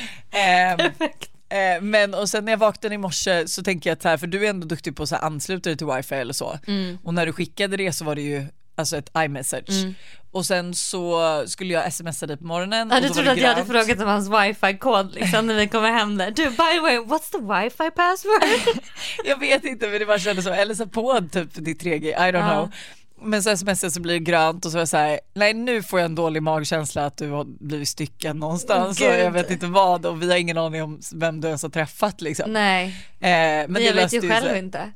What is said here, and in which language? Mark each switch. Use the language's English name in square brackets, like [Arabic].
[Swedish] Perfekt. Men och sen när jag vaknade i morse så tänker jag att här, för du är ändå duktig på att ansluta dig till wifi eller så. Mm. Och när du skickade det så var det ju alltså ett iMessage. Mm. Och sen så skulle jag smsa dig på morgonen. Ja, du trodde att jag hade frågat om hans wifi-kod liksom, när vi kommer hem där. [English] Du, by the way, what's the wifi password? [Swedish] Jag vet inte, men det bara kändes som. Eller så på typ ditt 3G, [English] I don't know. [Swedish] Men så smsade så blir det grönt. Och så var jag så här, nej, nu får jag en dålig magkänsla att du har blivit styckad någonstans. Och jag vet inte vad. Och vi har ingen aning om vem du ens har träffat liksom. Nej, Men jag vet ju själv inte.